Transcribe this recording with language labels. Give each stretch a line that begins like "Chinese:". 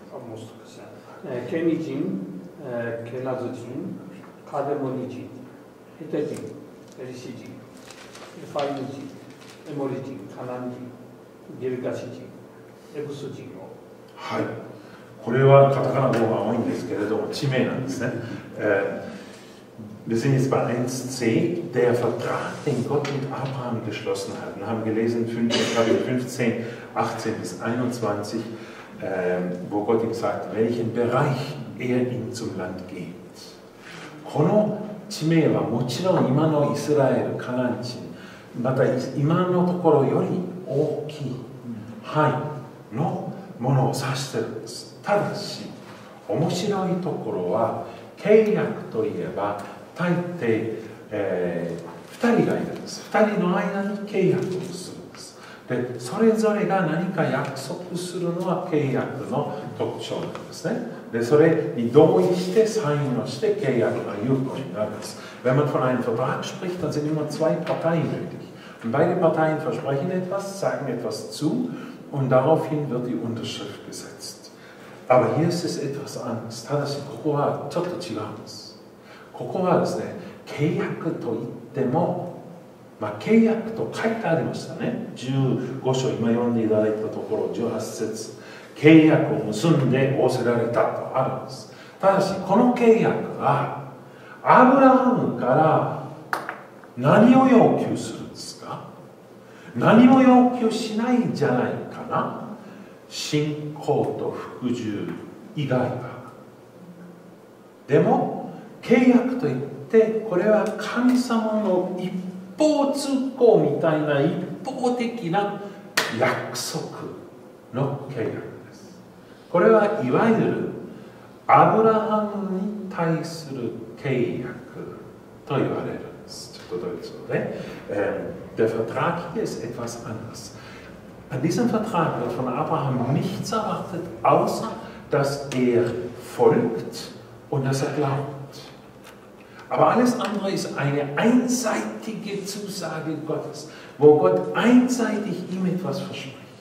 Japanese: もう少し。ケニ人、ケナズ人、カデモニ人、ヘテ人、エリシ人、エファイム人、エモリ人、カナン人、ギルガシ人、エブス人。はい、これはカタカナの方が多いんですけれども、地名なんですね。
German: Wir sehen jetzt bei 1c, der Vertrag, den Gott mit Abraham geschlossen hat. Wir haben gelesen, Kapitel 15, 18 bis 21, wo Gott ihm sagt, welchen Bereich er ihm zum Land gibt.
Japanese: この地名はもちろん今のイスラエル、カナン地、また今のところより大きい範囲のものを指してるんです。ただし面白いところは、契約といえば大抵、2人がいるんです。2人の間に契約をするんです。でそれぞれが何か約束するのは契約の特徴なんですね。でそれに同意してサインをして契約が有効になるんです。
German: Wenn man von einem Vertrag spricht, dann sind immer zwei Parteien nötig. Beide Parteien versprechen etwas, sagen etwas zuUnd daraufhin wird die Unterschrift gesetzt. Aber hier ist es etwas anders.
Japanese: ただし、ここはちょっと違うんです。ここはですね、契約といっても、まあ、契約と書いてありましたね。 15章、今読んでいただいたところ、18節。契約を結んで仰せられたとあるんです。ただし、この契約は、アブラハムから何を要求するんですか？何も要求しないんじゃないかな。信仰と服従以外は。でも契約といってこれは神様の一方通行みたいな一方的な約束の契約です。これはいわゆるアブラハムに対する契約と言われるんです。ちょっとドイツ語で、
German: Der Vertrag hier ist etwas anders. An diesem Vertrag wird von Abraham nichts erwartet, außer dass er folgt und dass er glaubt. Aber alles andere ist eine einseitige Zusage Gottes, wo Gott einseitig ihm etwas verspricht.